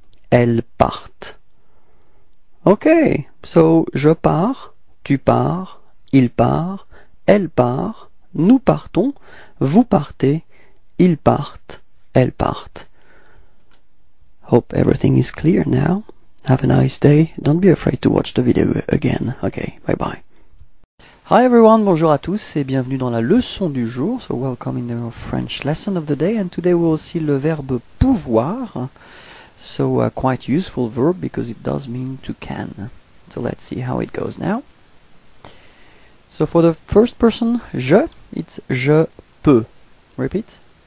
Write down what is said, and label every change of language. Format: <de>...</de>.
<fr>elle part, okay, so je pars, tu pars, il part, elle part, nous partons, vous partez, ils partent, elles partent.</fr> <en>Hope everything is clear now. Have a nice day. Don't be afraid to watch the video again. Okay, bye bye. Hi everyone,</en> <fr>bonjour à tous et bienvenue dans la leçon du jour.</fr> <en>So welcome in the French lesson of the day. And today we will see</en> <fr>le verbe pouvoir.</fr> <en>So a quite useful verb because it does mean to can. So let's see how it goes now. So for the first person, je, it's</en> <fr>je peux.</fr> <en>Repeat.</en>